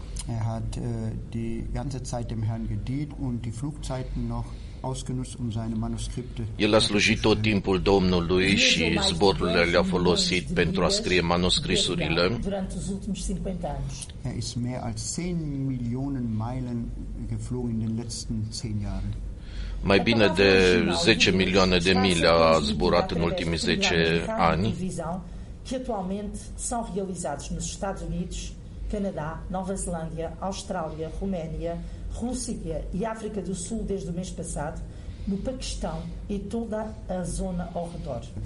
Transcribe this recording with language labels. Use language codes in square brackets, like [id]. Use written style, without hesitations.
[de] Er hat die ganze Zeit dem Herrn gedient und die Flugzeiten noch ausgenutzt, um seine Manuskripte. [ro] El a slujit tot timpul Domnului și zborurile le-a folosit pentru a scrie manuscrisurile. [de] Er ist mehr als 10 Millionen Meilen geflogen in den letzten 10 Jahren. [ro] Mai bine de 10 milioane de mile a zburat în ultimii 10 ani. [pt] Que atualmente são realizados nos Estados Unidos, Canadá, Nova Zelândia, Austrália, Roménia, Rússia e África do Sul desde o mês passado, no Paquistão e toda a zona ao redor.